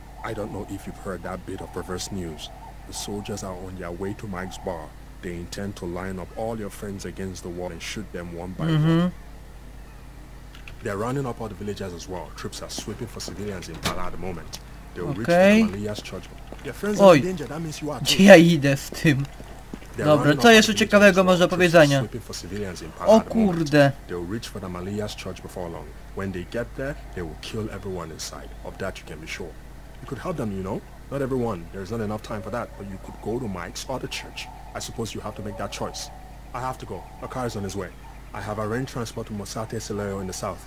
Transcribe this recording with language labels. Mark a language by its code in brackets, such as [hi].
[en] I don't know if you've heard that bit of perverse news. The soldiers are on their way to Mike's bar. They intend to line up all your friends against the wall and shoot them one by one. They're rounding up all the villagers as well. Troops are sweeping for civilians in Pala at the moment. They'll reach Malia's church. Your friends are in danger, that means you are [pl] too. Ja idę w tym. Dobra, co jeszcze ciekawego masz do powiedzenia? O kurde. [en] They'll reach for the Malia's church before long. When they get there, they will kill everyone inside. Of that you can be sure. You could help them, you know? Not everyone. There's not enough time for that. But you could go to Mike's or the church. I suppose you have to make that choice. I have to go. A car is on his way. I have arranged transport to Mosate Celero in the south.